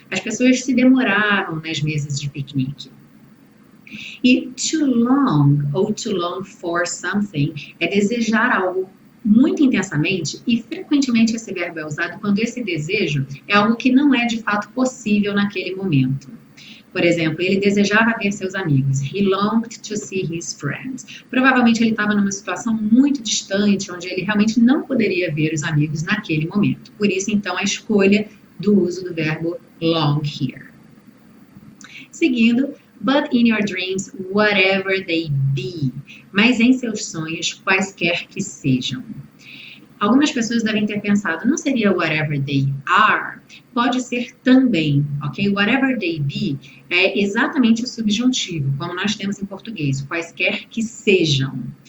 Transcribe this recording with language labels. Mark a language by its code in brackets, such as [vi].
[pt] As pessoas se demoraram nas mesas de piquenique. E to long ou [en] to long for something [pt] é desejar algo muito intensamente e frequentemente esse verbo é usado quando esse desejo é algo que não é de fato possível naquele momento. Por exemplo, ele desejava ver seus amigos. [en] He longed to see his friends. [pt] Provavelmente ele estava numa situação muito distante, onde ele realmente não poderia ver os amigos naquele momento. Por isso, então, a escolha do uso do verbo long here. Seguindo, [en] but in your dreams, whatever they be. [pt] Mas em seus sonhos, quaisquer que sejam. Algumas pessoas devem ter pensado, não seria [en] whatever they are? [pt] Pode ser também, ok? [en] Whatever they be [pt] é exatamente o subjuntivo, como nós temos em português, quaisquer que sejam.